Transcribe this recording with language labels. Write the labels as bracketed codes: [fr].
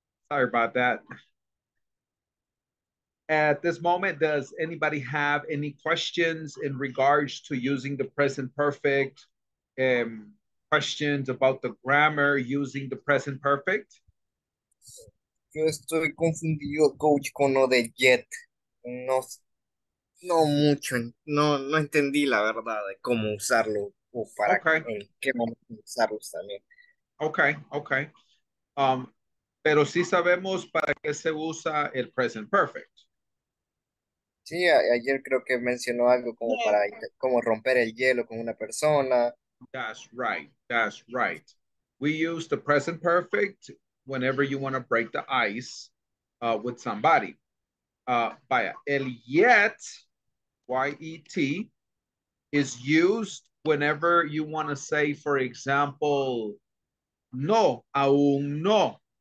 [en] Sorry about that. At this moment, does anybody have any questions in regards to using the present perfect? Questions about the grammar using the present perfect? [es] Yo estoy confundido, coach, con lo de yet. No, no mucho. No, no entendí la verdad de cómo usarlo o para okay. En qué momento usarlo también. [en] Okay, okay. [es] Pero sí sabemos para qué se usa el present perfect. Sí, ayer creo que mencionó algo como para como romper el hielo con una persona. [en] That's right. That's right. We use the present perfect whenever you want to break the ice with somebody. [es] Vaya, el [en] yet, Y-E-T, is used whenever you want to say, for example, [es] no, aún no.